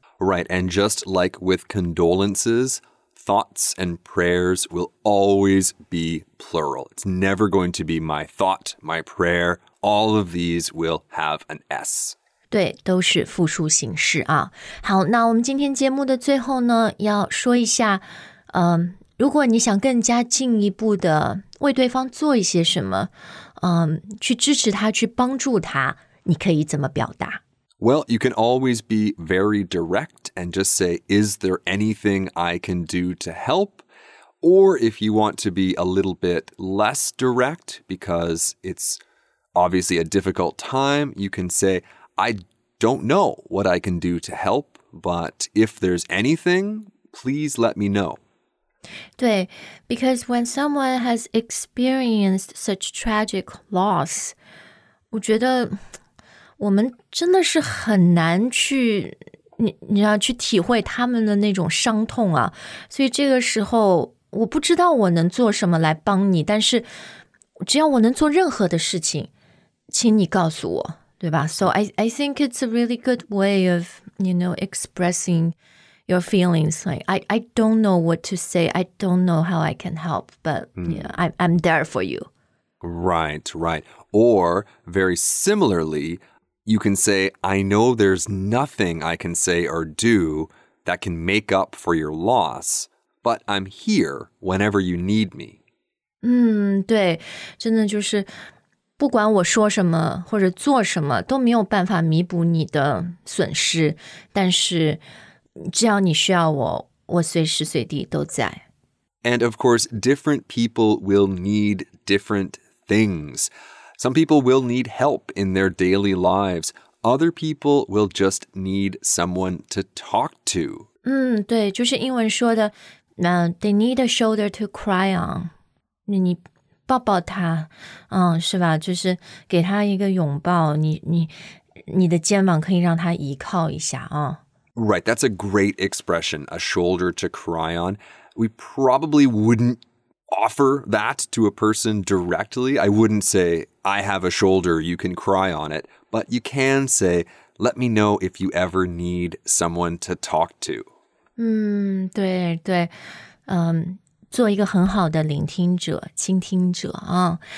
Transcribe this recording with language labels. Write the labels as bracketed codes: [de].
[en] Right, and just like with condolences, thoughts and prayers will always be plural. It's never going to be my thought, my prayer,All of these will have an S. [zh] 对，都是复数形式啊。好，那我们今天节目的最后呢，要说一下，如果你想更加进一步的为对方做一些什么，去支持他，去帮助他，你可以怎么表达？ [en] Well, you can always be very direct and just say, is there anything I can do to help? Or if you want to be a little bit less direct, because it's... Obviously, a difficult time, you can say, I don't know what I can do to help, but if there's anything, please let me know. [zh] 对, [en] because when someone has experienced such tragic loss, [zh] 我觉得我们真的是很难去你要去体会他们的那种伤痛啊。所以这个时候我不知道我能做什么来帮你，但是只要我能做任何的事情，请你告诉我，对吧？ [en] So I think it's a really good way of, you know, expressing your feelings. Like, I don't know what to say. I don't know how I can help, but I'm there for you. Right, right. Or very similarly, you can say, I know there's nothing I can say or do that can make up for your loss. But I'm here whenever you need me. [zh] 对，真的就是不管我说什么或者做什么都没有办法弥补你的损失，但是只要你需要我，我随时随地都在。 [en] And of course, different people will need different things. Some people will need help in their daily lives. Other people will just need someone to talk to. [zh] 对，就是英文说的 [en] they need a shoulder to cry on. [zh] 你抱抱他，是吧？就是给他一个拥抱，你的肩膀可以让他依靠一下啊。 [en] Right, that's a great expression, a shoulder to cry on. We probably wouldn't offer that to a person directly. I wouldn't say, I have a shoulder, you can cry on it. But you can say, let me know if you ever need someone to talk to. [zh] 对对，做一个很好的聆听者、倾听者啊。